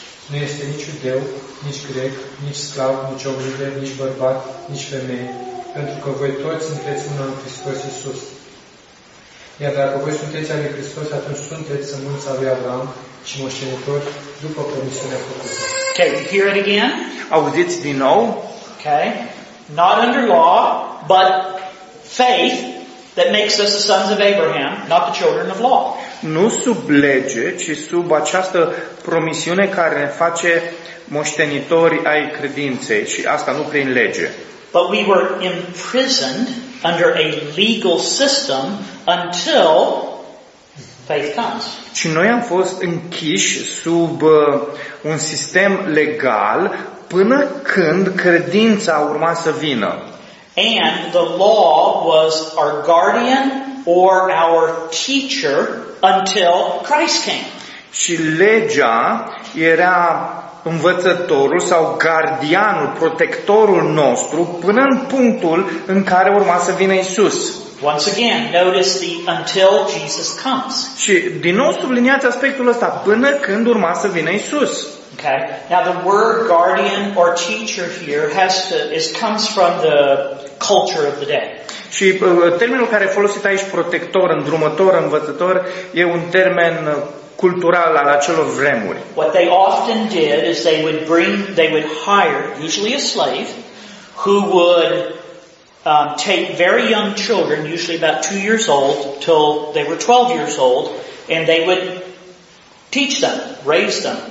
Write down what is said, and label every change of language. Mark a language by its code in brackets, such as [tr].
[ro] Nu este nici iudeu, nici grec, nici sclav, nici om liber, nici bărbat, nici femeie, pentru că voi toți sunteți una în Hristos Iisus. Iar dacă voi sunteți al lui Hristos, atunci sunteți sămânța lui Abraham și moștenitori după promisiunea făcută. [en] Okay, you hear it again? [ro] Auziți din nou? [en] Okay. Not under law, but faith that makes us the sons of Abraham, not the children of law. [ro] Nu sub lege, ci sub această promisiune care ne face moștenitori ai credinței și asta nu prin lege. [en] But we were imprisoned under a legal system until faith comes. [ro] Și noi am fost închiși sub un sistem legal până când credința urma să vină. [en] And the law was our guardian or our teacher until Christ came. [ro] Și legea era învățătorul sau gardianul, protectorul nostru până în punctul în care urma să vină Iisus. [en] Once again, notice the until Jesus comes. [ro] Și din nou subliniați aspectul ăsta, până când urma să vină Iisus. [en] Okay. Now the word guardian or teacher here comes from the culture of the day. [ro] Și termenul care e folosit aici, protector, îndrumător, învățător, e un termen cultural al acelor vremuri. [en] What they often did is they would hire usually a slave who would take very young children, usually about 2 years old, till they were 12 years old, and they would teach them, raise them.